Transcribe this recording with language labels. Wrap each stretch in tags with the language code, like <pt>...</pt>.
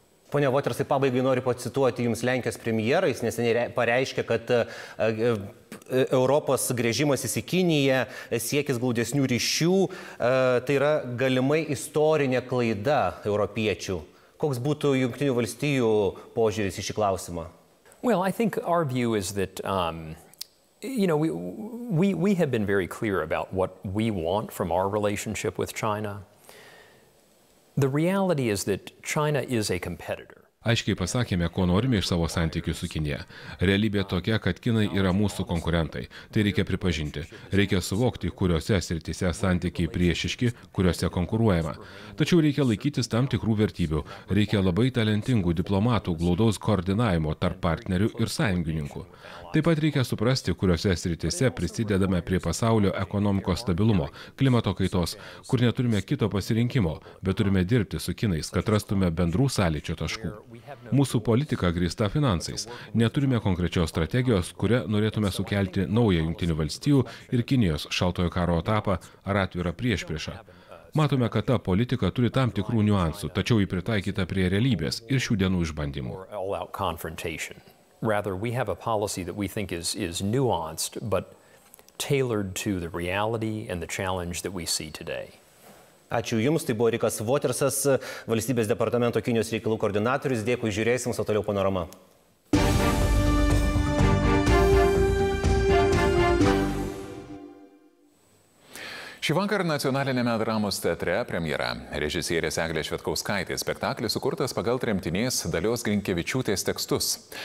<lt>Pone Votersai, pabaigai noriu pacituoti jums Lenkijos premjerą. Jis neseniai pareiškė, kad Europos grįžimas į Kiniją, siekis glaudesnių ryšių, tai yra galimai istorinė klaida europiečių. Koks būtų Jungtinių valstijų požiūris į šį klausimą?</lt> <en>Well, I think our view is that, we have been very clear about what we want from our relationship with China. The reality is that China is a competitor.</en> <lt>Aiškiai pasakėme, ko norime iš savo santykių su Kinija. Realybė tokia, kad Kinai yra mūsų konkurentai. Tai reikia pripažinti. Reikia suvokti, kuriuose srityse santykiai priešiški, kuriuose konkuruojama. Tačiau reikia laikytis tam tikrų vertybių. Reikia labai talentingų diplomatų glaudaus koordinavimo tarp partnerių ir sąjungininkų. Taip pat reikia suprasti, kuriuose srityse prisidedame prie pasaulio ekonomikos stabilumo, klimato kaitos, kur neturime kito pasirinkimo, bet turime dirbti su Kinais, kad rastume bendrų sąlyčio taškų. Mūsų politika grįsta finansais. Neturime konkrečios strategijos, kurią norėtume sukelti naują Jungtinių valstijų ir Kinijos šaltojo karo etapą ar atvirą priešpriešą. Matome, kad ta politika turi tam tikrų niuansų, tačiau jį pritaikyta prie realybės ir šių dienų išbandymų.</lt> <en>Rather, we have a policy that we think is nuanced, but tailored to the reality and the challenge that we see today.</en> <lt>Ačiū Jums, tai buvo Rikas Votersas, Valstybės departamento Kinijos reikalų koordinatorius. Dėkui, žiūrėsim, su toliau panorama. Šį vakarą Nacionalinėme dramos teatre premjera. Režisierės Eglė Švedkauskaitė spektaklis sukurtas pagal tremtinės Dalios Grinkevičiūtės tekstus.</lt>